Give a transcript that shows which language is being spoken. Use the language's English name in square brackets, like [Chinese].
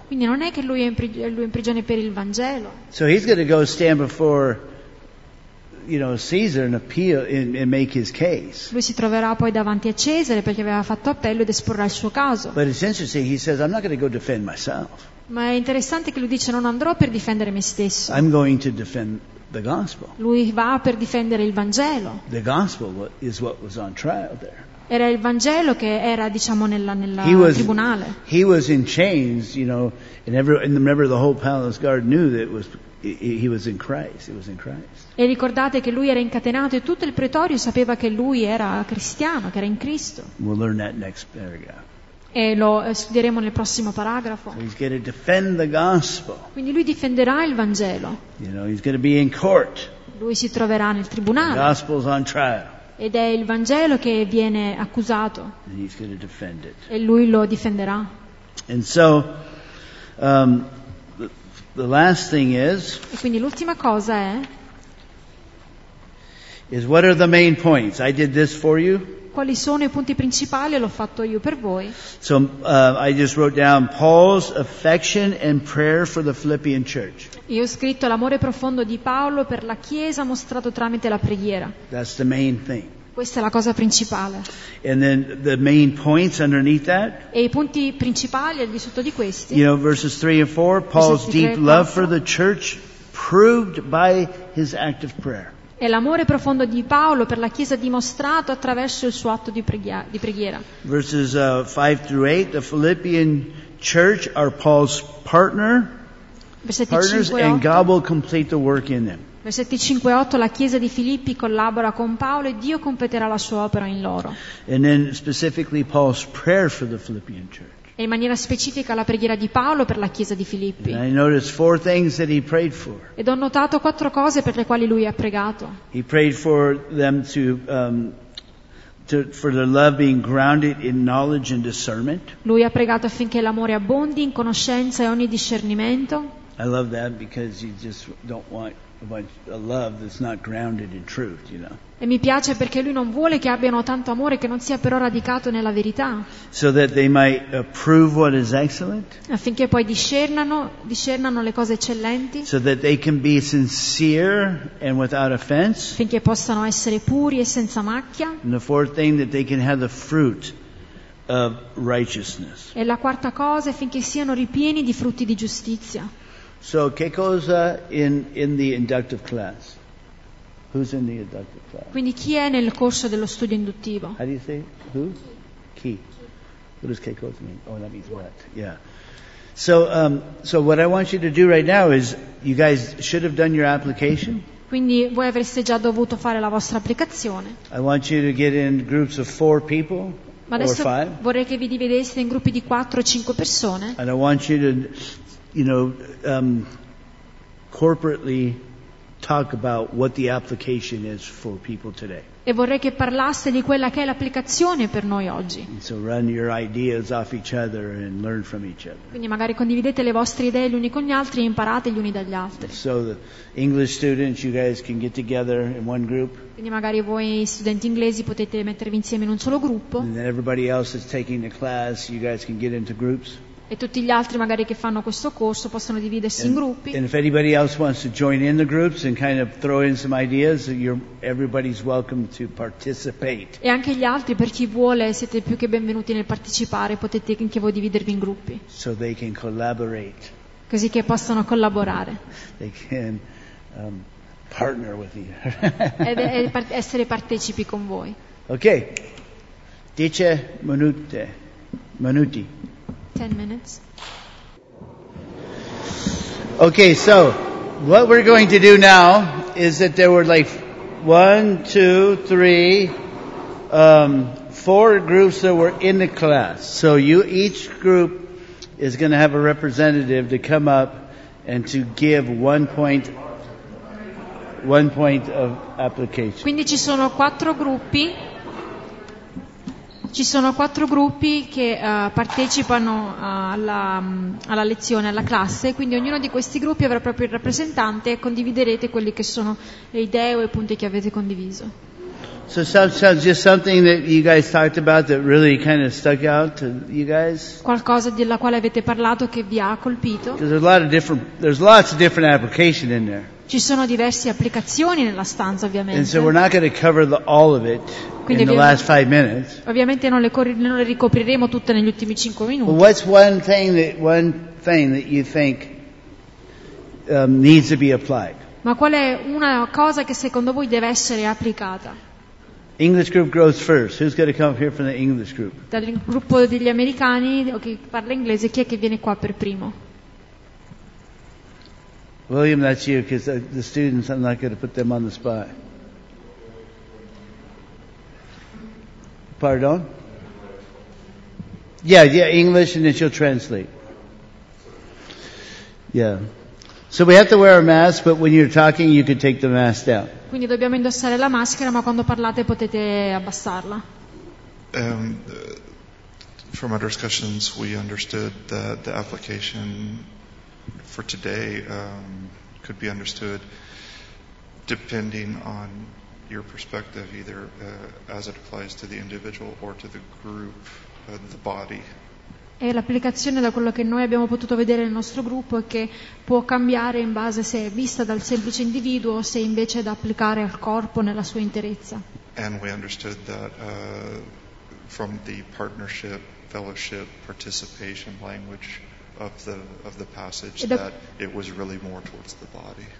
[Italian] Quindi non è che lui è in prigione per il Vangelo. [English] So he's going to go stand before, you know, Caesar and appeal and make his case. [Italian] Lui si troverà poi davanti a Cesare perché aveva fatto appello ed esporrà il suo caso. [English] But it's interesting, he says, I'm not going to go defend myself. [Italian] Ma è interessante che lui dice, non andrò per difendere me stesso. [English] I'm going to defend the gospel. [Italian] Lui va per difendere il Vangelo. [English] The gospel is what was on trial there. [Italian] Era il Vangelo che era, diciamo, nella tribunale. [English] He was in chains, you know, and remember the whole palace guard knew that he was in Christ. [Italian] E ricordate che lui era incatenato e tutto il pretorio sapeva che lui era cristiano, che era in Cristo. [English] We'll learn that next paragraph. [Italian] E lo studieremo nel prossimo paragrafo. [English] So he's going to defend the gospel. [Italian] Quindi lui difenderà il Vangelo. [English] You know, he's going to be in court. [Italian] Lui si troverà nel tribunale. [English] The gospel's on trial. [Italian] Ed è il Vangelo che viene accusato. [English] And he's going to defend it. [Italian] E lui lo difenderà. [English] And so, the last thing is. [Italian] E quindi l'ultima cosa è. [English] Is what are the main points? I did this for you. [Italian] Quali sono I punti principali? L'ho fatto io per voi. [English] So I just wrote down Paul's affection and prayer for the Philippian church. [Italian] Io ho scritto l'amore profondo di Paolo per la chiesa mostrato tramite la preghiera. [English] That's the main thing. [Italian] Questa è la cosa principale. [English] And then the main points underneath that. [Italian] E I punti principali al di sotto di questi. [English] You know, verses 3 and 4, Paul's deep love for the church proved by his act of prayer. [Italian] E l'amore profondo di Paolo per la Chiesa dimostrato attraverso il suo atto di preghiera. [English] Verses 5 through 8, the Philippian church are Paul's partners and God will complete the work in them. [Italian] Versetti 5 e 8, la Chiesa di Filippi collabora con Paolo e Dio completerà la sua opera in loro. [English] And then specifically Paul's prayer for the Philippian church. [Italian] E in maniera specifica la preghiera di Paolo per la Chiesa di Filippi. [English] And I noticed four things that he prayed for. [Italian] Ed ho notato quattro cose per le quali lui ha pregato. [English] He prayed for them for their love being grounded in knowledge and discernment. [Italian] Lui ha pregato affinché l'amore abbondi in conoscenza e ogni discernimento. [English] I love that because you just don't want a love that's not grounded in truth, you know. [Italian] E mi piace perché lui non vuole che abbiano tanto amore che non sia però radicato nella verità. [English] So that they might approve what is excellent. [Italian] Affinché poi discernano le cose eccellenti. [English] So that they can be sincere and without offense. [Italian] Affinché possano essere puri e senza macchia. [English] And the fourth thing that they can have the fruit of righteousness. [Italian] E la quarta cosa è affinché siano ripieni di frutti di giustizia. [English] So [Italian] che cosa [English] in the inductive class? Who's in the inductive class? [Italian] Quindi chi è nel corso dello studio induttivo? [English] How do you say? Who? Chi. What does Keiko's mean? Oh, that means what? Yeah. So what I want you to do right now is, you guys should have done your application. [Italian] Quindi voi avreste già dovuto fare la vostra applicazione. [English] I want you to get in groups of four people. [Italian] Ma adesso [English] or five. [Italian] Vorrei che vi divideste in gruppi di 4 o 5 persone. [English] And I want you to, you know, corporately talk about what the application is for people today. [Italian] E vorrei che parlasse di quella che è l'applicazione per noi oggi. [English] So run your ideas off each other and learn from each other. [Italian] Quindi magari condividete le vostre idee gli uni con gli altri e imparate gli uni dagli altri. [English] So the English students, you guys can get together in one group. [Italian] Quindi magari voi studenti inglesi potete mettervi insieme in un solo gruppo. [English] And then everybody else is taking the class, you guys can get into groups. [Italian] E tutti gli altri magari che fanno questo corso possono dividersi in gruppi. [English] And if anybody else wants to join in the groups and kind of throw in some ideas, everybody's welcome to participate. [Italian] E anche gli altri, per chi vuole, siete più che benvenuti nel partecipare, potete anche voi dividervi in gruppi. [English] So they can collaborate. [Italian] Così che possano collaborare. [English] They can partner with you. [Italian] essere partecipi con voi. Ok. 10 minuti. [English] 10 minutes. Okay, so what we're going to do now is that there were like 1, 2, 3, 4 groups that were in the class. So you, each group is going to have a representative to come up and to give one point of application. [Italian] Quindi ci sono 4 gruppi. Ci sono 4 gruppi che partecipano alla lezione, alla classe, quindi ognuno di questi gruppi avrà proprio il rappresentante e condividerete quelli che sono le idee o i punti che avete condiviso. [English] So sounds just something that you guys talked about that really kind of stuck out to you guys? [Italian] Qualcosa della quale avete parlato che vi ha colpito? [English] Because there's lots of different application in there. [Italian] Ci sono diverse applicazioni nella stanza, ovviamente. [English] And so we're not going to cover all of it. [Italian] Quindi [English] in the last 5 minutes. [Italian] Ovviamente non le ricopriremo tutte negli ultimi 5 minuti. [English] Well, what's one thing that you think needs to be applied? [Italian] Ma qual è una cosa che secondo voi deve essere applicata? [English] English group grows first. Who's going to come here from the English group? [Italian] Dal gruppo degli americani o chi parla inglese, chi è che viene qua per primo? [English] William, that's you, because the students, I'm not going to put them on the spot. Pardon? Yeah, English, and then she'll translate. Yeah. So we have to wear a mask, but when you're talking, you can take the mask down. [Italian] Quindi dobbiamo indossare la maschera, ma quando parlate potete abbassarla. [English] From our discussions, we understood that the application for today could be understood depending on your perspective, either as it applies to the individual or to the group, the body. [Italian] E l'applicazione, da quello che noi abbiamo potuto vedere nel nostro gruppo, è che può cambiare in base se è vista dal semplice individuo o se invece è da applicare al corpo nella sua interezza. [English] And we understood that from the partnership, fellowship, participation language of the passage, that it was really more towards the body.